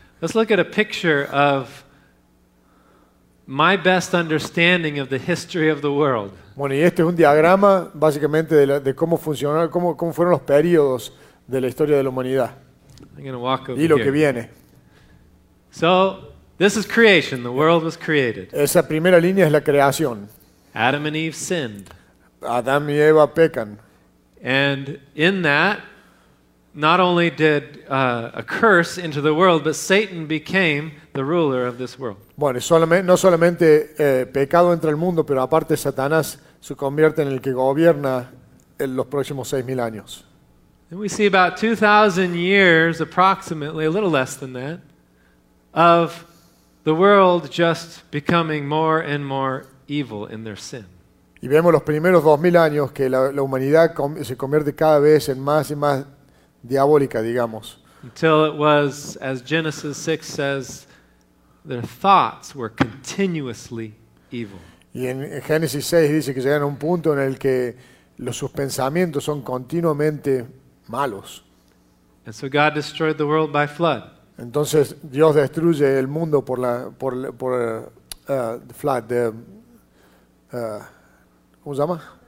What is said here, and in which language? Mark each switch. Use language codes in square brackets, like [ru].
[en] Let's look at a picture of my best understanding of the history of the world. [es] Bueno, y este es un diagrama básicamente de cómo funcionó, cómo fueron los periodos de la historia de la humanidad. [en] I'm going to walk over [es] y lo [en] here. [es] Que viene. [en] So this is creation. The world was created. [es] Esa primera línea es la creación. [en] Adam and Eve sinned. [es] Adam y Eva pecan. [en] And in that, not only did a curse enter the world, but Satan became the ruler of this world. [es] Bueno, no solamente pecado entra al mundo, pero aparte Satanás se convierte en el que gobierna en los próximos 6,000 años. [en] And we see about 2,000 years, approximately, a little less than that, of the world just becoming more and more evil in their sin. [es] Y vemos los primeros 2,000 años que la humanidad se convierte cada vez en más y más diabólica, digamos. [en] Until it was, as Genesis 6 says, their thoughts were continuously evil. [es] Y en Génesis 6 dice que llegan a un punto en el que sus pensamientos son continuamente malos. [en] And so God destroyed the world by flood. [es] Entonces Dios destruye el mundo ¿cómo se llama?